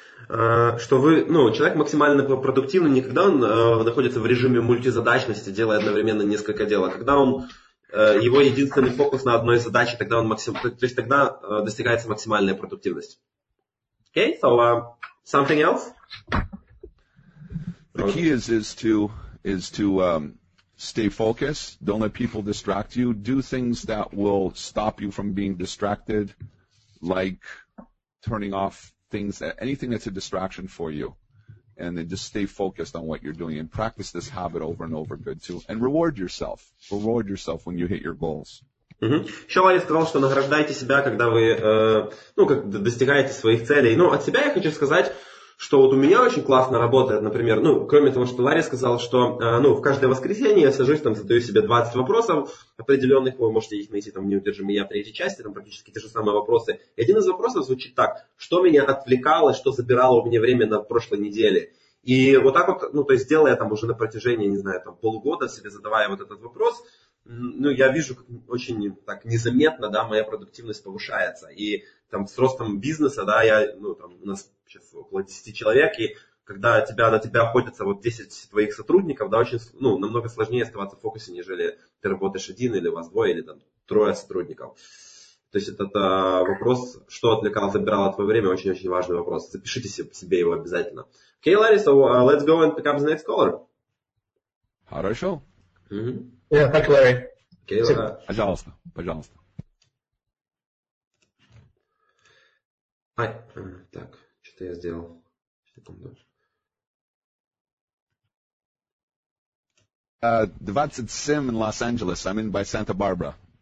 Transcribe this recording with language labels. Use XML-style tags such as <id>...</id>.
<ru>что вы, ну, человек максимально продуктивный не когда он находится в режиме мультизадачности, делая одновременно несколько дел, а когда он, его единственный фокус на одной задаче, тогда он то есть тогда достигается максимальная продуктивность.</ru> <en>Okay, so something else? The key is to stay focused, don't let people distract you, do things that will stop you from being distracted, like turning off things, anything that's a distraction for you, and then just stay focused on what you're doing and practice this habit over and over, good too, and reward yourself when you hit your goals.</en> <ru>Еще Лайя сказал, что награждайте себя, когда вы достигаете своих целей. Но от себя я хочу сказать, что вот у меня очень классно работает, например, ну, кроме того, что Лайя сказал, что в каждое воскресенье я сажусь, там, задаю себе 20 вопросов определенных, вы можете их найти там в неудержимой я третьей части, там практически те же самые вопросы. И один из вопросов звучит так: что меня отвлекало, что забирало у меня время на прошлой неделе? И вот так вот, ну, то есть, делая там уже на протяжении, не знаю, там полгода себе задавая вот этот вопрос, ну, я вижу, как очень так незаметно, да, моя продуктивность повышается. И там с ростом бизнеса, да, я, ну, там, у нас сейчас около 10 человек, и когда на тебя охотятся вот 10 твоих сотрудников, да, очень, ну, намного сложнее оставаться в фокусе, нежели ты работаешь один, или у вас двое, или там трое сотрудников. То есть это вопрос, что отвлекало, забирало твое время, очень-очень важный вопрос. Запишите себе его обязательно.</ru> <en>Okay, Larry, so let's go and pick up the next caller.</en> <ru>Хорошо.</ru> <en>Mm-hmm. Yeah, thank you, Larry. Okay,</en> <ru>пожалуйста, пожалуйста. Ай, так, что-то я сделал. Двадцать семь</ru> <en>in Los Angeles. I'm in by Santa Barbara.</en>